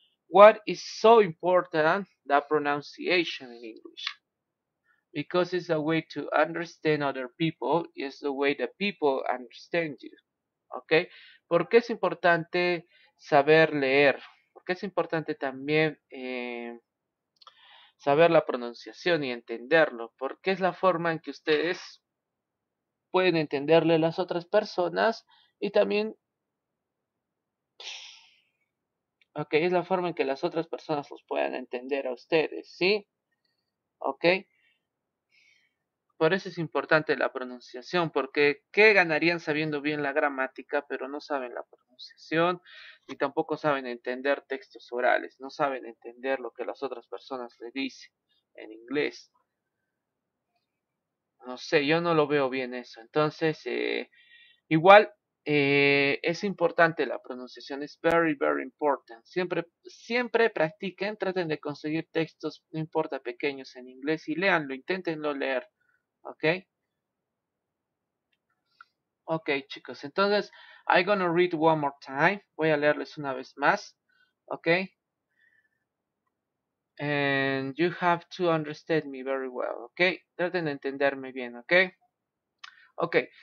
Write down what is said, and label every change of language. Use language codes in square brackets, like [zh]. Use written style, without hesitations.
[en] What is so important that pronunciation in English? Because it's a way to understand other people, it's the way that people understand you. [es] Okay? ¿Por qué es importante saber leer? ¿Por qué es importante también saber la pronunciación y entenderlo? Porque es la forma en que ustedes pueden entenderle a las otras personas y también. Ok, es la forma en que las otras personas los puedan entender a ustedes, ¿sí? Ok. Por eso es importante la pronunciación, porque ¿qué ganarían sabiendo bien la gramática, pero no saben la pronunciación, ni tampoco saben entender textos orales, no saben entender lo que las otras personas le dicen en inglés? No sé, yo no lo veo bien eso. Entonces, igual. Es importante la pronunciación, es [en] very, very important. [es] Siempre, siempre practiquen, traten de conseguir textos, no importa pequeños, en inglés y léanlo, inténtenlo leer. ¿Ok? [en] Ok, [es] chicos, entonces, [en] I'm gonna read one more time. [es] Voy a leerles una vez más. ¿Ok? [en] And you have to understand me very well. [es] ¿Ok? Traten de entenderme bien. ¿Ok? Ok.